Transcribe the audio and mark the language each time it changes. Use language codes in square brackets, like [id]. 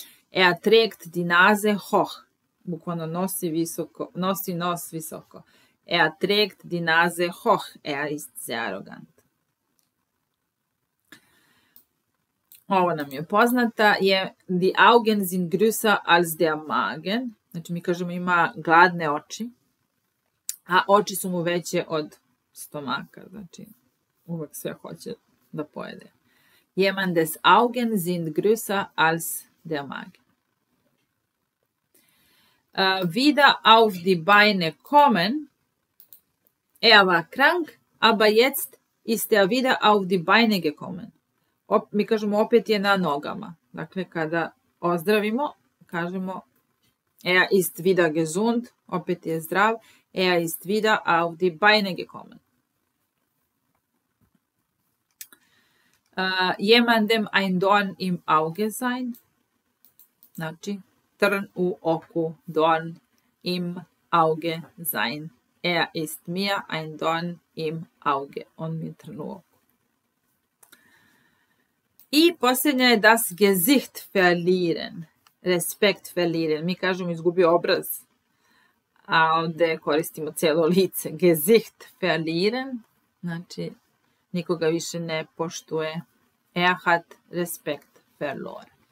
[de] Er trägt die Nase hoch. [sr] Bukvalno nosi visoko, nosi nos visoko. [de] Er trägt die Nase hoch. Er ist sehr arrogant. [sr] Ovo nam je poznata. [de] Je, die Augen sind größer als der Magen. [sr] Znači mi kažemo ima gladne oči. A oči su mu veće od stomaka. Znači uvek sve hoće da pojede. [de] Jemandes Augen sind größer als der Magen. Wieder auf die Beine kommen. Er war krank, aber jetzt ist er wieder auf die Beine gekommen. [sr] Mi kažemo opet je na nogama. Dakle, kada ozdravimo, kažemo [de] er ist wieder gesund, [sr] opet je zdrav. [de] Er ist wieder auf die Beine gekommen. Jemandem ein Dorn im Auge sein. [sr] Znači, trn u oku, [de] Dorn im Auge sein. Er ist mir ein Dorn im Auge. [sr] On mi trn u oku. I posljednja je [de] das Gesicht verlieren. Respekt verlieren. [sr] Mi kažemo izgubi obraz. A ovdje koristimo cijelo lice. [de] Gesicht verlieren. [sr] Znači, nikoga više ne poštuje. [de] Er hat Respekt verloren.